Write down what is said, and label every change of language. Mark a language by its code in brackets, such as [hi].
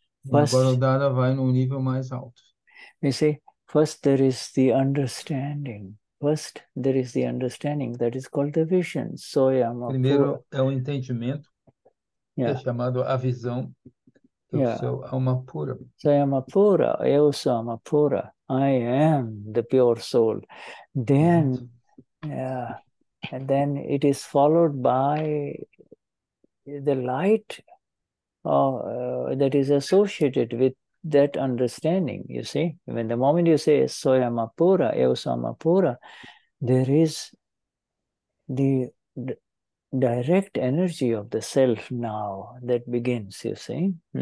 [pt] First, agora o Dada vai num nível mais alto. [en] You see? First, there is the understanding. First, there is the understanding that is called the vision. Soyama. [pt] Primeiro é o entendimento, que é chamado a visão do seu alma pura. Soyama pura, eu sou alma pura. [en] I am the pure soul. Then, and then it is followed by the light that is associated with that understanding, you see. When the moment you say soyam apura, [pt] eu sou apura, [en] there is the direct energy of the self now that begins, you see.